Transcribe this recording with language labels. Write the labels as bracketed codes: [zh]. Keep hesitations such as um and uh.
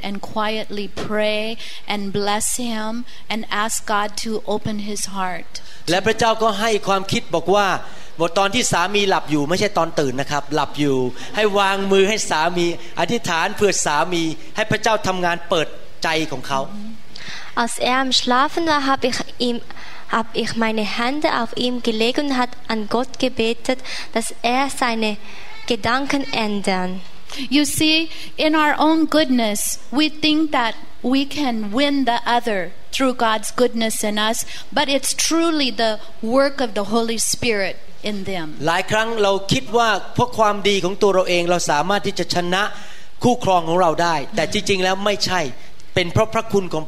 [en] and quietly pray and bless him and ask God to open his heart. [th] และพระเจ้าก็ให้ความคิดบอกว่าบทตอนที่สามีหลับอยู่ไม่ใช่ตอนตื่นนะครับ หลับอยู่ ให้วางมือให้สามีอธิษฐานเพื่อสามีให้พระเจ้าทำงานเปิดใจของเขา [de] Als er am Schlafen war, habe ich, hab ich meine Hände auf ihm gelegt und hat an Gott gebetet, dass er seine [en] Down, you see, in our own goodness, we think that we can win the other through God's goodness in us, but it's truly the work of the Holy Spirit in them. [th] หลายครั้งเราคิดว่าเพราะความดีของตัวเราเองเราสามารถที่จะชนะคู่ครองของเราได้แต่จริงๆแล้วไม่ใช่ mm -hmm.